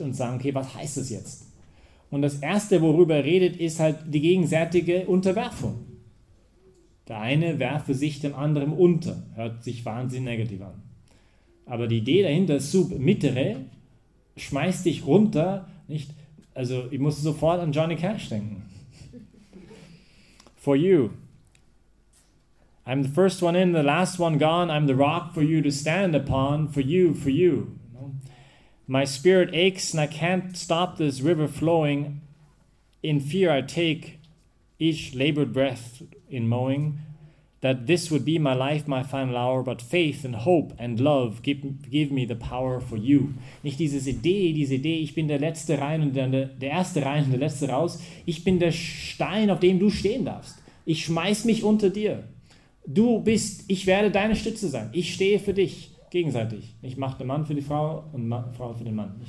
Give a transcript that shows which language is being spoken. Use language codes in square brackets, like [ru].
[de] Und sagen, okay, was heißt das jetzt? Und das Erste, worüber er redet, ist halt die gegenseitige Unterwerfung. Der eine werfe sich dem anderen unter, hört sich wahnsinnig negativ an. Aber die Idee dahinter, submittere, schmeißt dich runter, nicht? Also ich musste sofort an Johnny Cash denken. [en] For you. I'm the first one in, the last one gone. I'm the rock for you to stand upon. For you, for you. My spirit aches and I can't stop this river flowing. In fear I take each labored breath in mowing. That this would be my life, my final hour. But faith and hope and love give me the power for you. [de] Nicht diese Idee, ich bin der Letzte rein und der Erste rein und der Letzte raus. Ich bin der Stein, auf dem du stehen darfst. Ich schmeiß mich unter dir. Du bist, ich werde deine Stütze sein. Ich stehe für dich, gegenseitig. Ich mache den Mann für die Frau und Frau für den Mann.